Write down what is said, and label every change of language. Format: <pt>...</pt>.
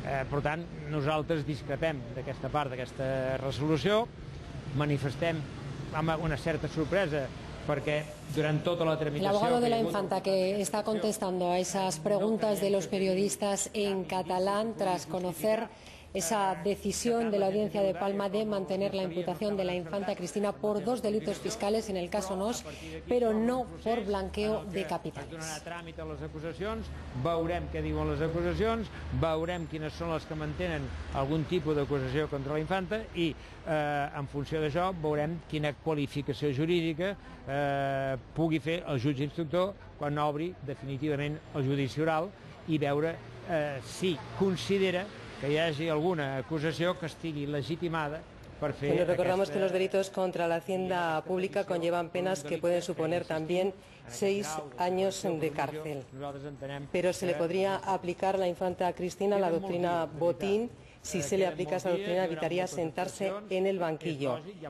<ca>Per tant, nosaltres discrepem d'aquesta part, d'aquesta resolució, manifestem amb una certa sorpresa</ca> <es>porque durante toda la tramitación... El abogado de la Infanta que está contestando a esas preguntas de los periodistas en catalán tras conocer esa decisión de la Audiencia de Palma de mantener la imputación de la Infanta Cristina por dos delitos fiscales en el caso NOS, pero no por blanqueo de capitales.</es> <ca>Es donarà tràmit a les acusacions, veurem què diuen les acusacions, veurem quines són les que mantenen algun tipus d'acusació contra la Infanta i en funció d'això veurem quina qualificació jurídica pugui fer el jutge instructor quan obri definitivament el judici oral i veure si considera que hi hagi alguna acusació que estigui legitimada per fer...</ca> <es>Bueno, recordamos aquesta... que los delitos contra la hacienda pública conllevan penas que pueden suponer también 6 años de cárcel. Pero se le podría aplicar la Infanta Cristina la doctrina Botín. Si se le aplica esa doctrina, evitaría sentarse en el banquillo.</es>